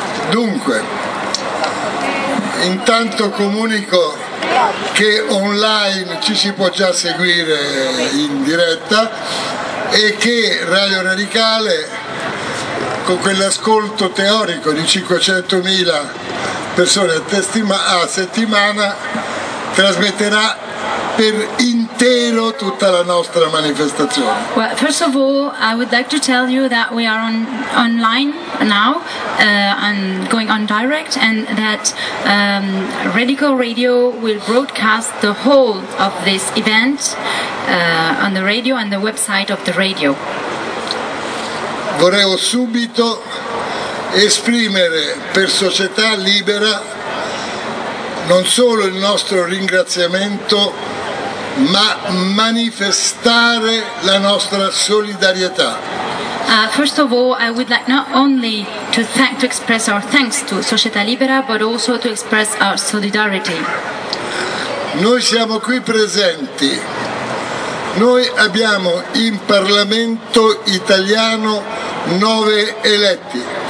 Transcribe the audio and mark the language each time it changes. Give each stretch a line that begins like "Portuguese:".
Italian: Dunque, intanto comunico che online ci si può già seguire in diretta e che Radio Radicale, con quell'ascolto teorico di 500.000 persone a settimana, trasmetterà per intero tutta la nostra manifestazione.
English: Well, first of all, I would like to tell you that we are on online now, and going on direct, and that Radical Radio will broadcast the whole of this event on the radio and the website of the radio.
Italian: Vorrei subito esprimere per Società Libera non solo il nostro ringraziamento, ma manifestare la nostra solidarietà.
English: First of all, I would like not only to express our thanks to Società Libera, but also to express our solidarity.
Italian: Noi siamo qui presenti. Noi abbiamo in Parlamento italiano 9 eletti.